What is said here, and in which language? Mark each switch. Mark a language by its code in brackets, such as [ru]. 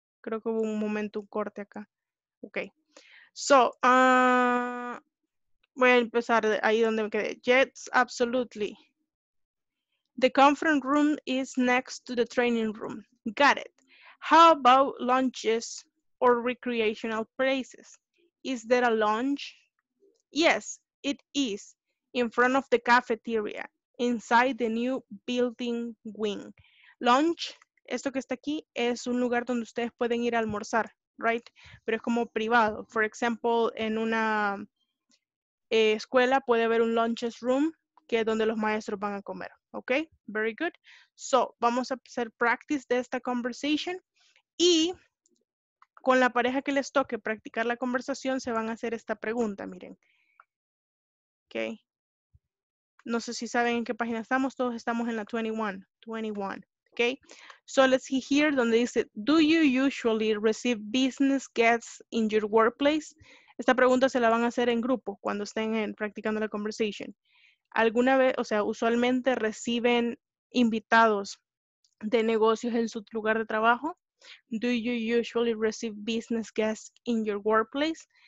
[es] Creo que hubo un momento, un corte acá. Okay. So, voy a empezar ahí donde me quedé. [en] Yes, absolutely. The conference room is next to the training room. Got it. How about lounges or recreational places? Is there a lounge? Yes, it is. In front of the cafeteria, inside the new building wing. [es] Lounge, esto que está aquí, es un lugar donde ustedes pueden ir a almorzar, right? Pero es como privado. For example, en una escuela puede haber un lunches room, que es donde los maestros van a comer. Ok, very good. So, vamos a hacer practice de esta conversation. Y con la pareja que les toque practicar la conversación, se van a hacer esta pregunta, miren. Ok. No sé si saben en qué página estamos. Todos estamos en la 21. Ok. [en] So, let's see here donde dice, do you usually receive business guests in your workplace? [es] Esta pregunta se la van a hacer en grupo cuando estén practicando la conversation. ¿Alguna vez, o sea, usualmente reciben invitados de negocios en su lugar de trabajo? [en] Do you usually receive business guests in your workplace?